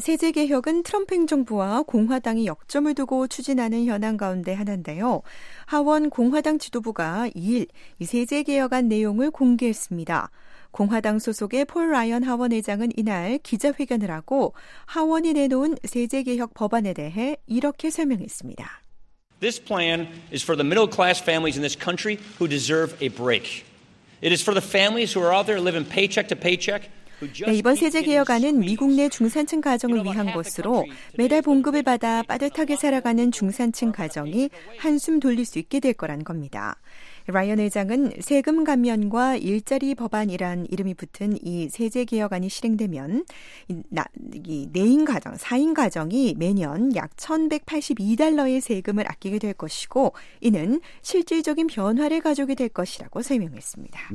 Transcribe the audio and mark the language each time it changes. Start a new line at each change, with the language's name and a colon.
Korean: 세제 개혁은 트럼프 행정부와 공화당이 역점을 두고 추진하는 현안 가운데 하나인데요. 하원 공화당 지도부가 2일 이 세제 개혁안 내용을 공개했습니다. 공화당 소속의 폴 라이언 하원의장은 이날 기자회견을 하고 하원이 내놓은 세제 개혁 법안에 대해 이렇게 설명했습니다.
English: This plan is for the middle class families in this country who deserve a break. It is for the families who are out there living paycheck to paycheck.
Korean: 네, 이번 세제 개혁안은 미국 내 중산층 가정을 위한 것으로 매달 봉급을 받아 빠듯하게 살아가는 중산층 가정이 한숨 돌릴 수 있게 될 거란 겁니다. 라이언 회장은 세금 감면과 일자리 법안이란 이름이 붙은 이 세제 개혁안이 실행되면 이 4인 가정, 4인 가정이 매년 약 $1,182의 세금을 아끼게 될 것이고 이는 실질적인 변화를 가져오게 될 것이라고 설명했습니다.